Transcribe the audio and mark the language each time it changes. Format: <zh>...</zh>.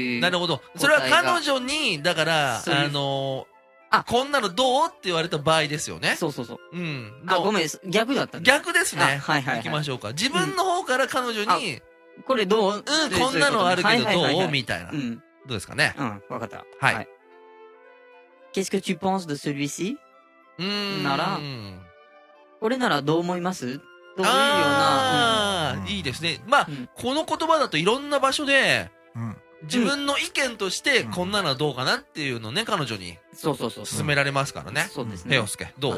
<ja>なるほど。それは彼女にだから、あの、あ、こんなのどうって言われた場合ですよね。そうそうそう。うん。あ、ごめん、逆だった、ね。逆ですね。はいはい、はい。行きましょうか。自分の方から彼女に、うん、これどう、うん、こんなのあるけどどう、はいはいはいはい、みたいな、うん。どうですかね。うん、わかった。はい。</ja> <fr>Qu'est-ce que tu penses de celui-ci?</fr> <ja>うーん、なら、これならどう思います？どういうような、うん、いいですね。まあ、うん、この言葉だといろんな場所で、うん、自分の意見として、うん、こんなのはどうかなっていうのをね、彼女に勧められますからね。そうですね。ヘヨスケ、どう？</ja>